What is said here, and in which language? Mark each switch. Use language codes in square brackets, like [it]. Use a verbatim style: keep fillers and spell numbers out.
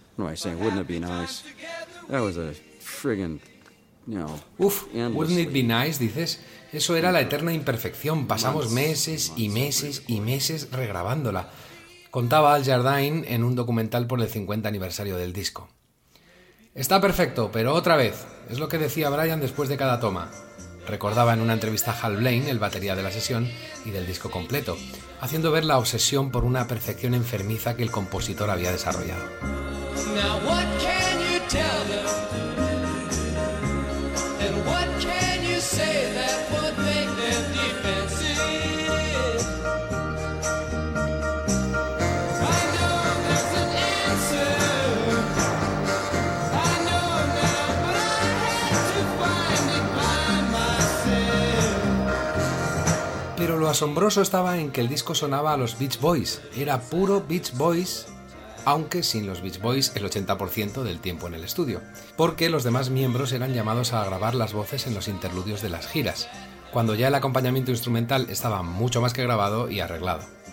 [en] No, I say, wouldn't it be nice? That was a friggin', you know, [es] Uf, [en] wouldn't it be nice, [es] dices. Eso era la eterna imperfección. Pasamos meses y meses y meses regrabándola. Contaba Al Jardine en un documental por el cincuenta aniversario del disco. Está perfecto, pero otra vez. Es lo que decía Brian después de cada toma. Recordaba en una entrevista a Hal Blaine, el batería de la sesión y del disco completo, haciendo ver la obsesión por una perfección enfermiza que el compositor había desarrollado. [en] Now what can you tell them? And what can you say that would make them defensive? I know there's an answer. I know now, but I had to find it by myself. [es] Pero lo asombroso estaba en que el disco sonaba a los Beach Boys. Era puro Beach Boys, aunque sin los Beach Boys el ochenta por ciento del tiempo en el estudio, porque los demás miembros eran llamados a grabar las voces en los interludios de las giras, cuando ya el acompañamiento instrumental estaba mucho más que grabado y arreglado.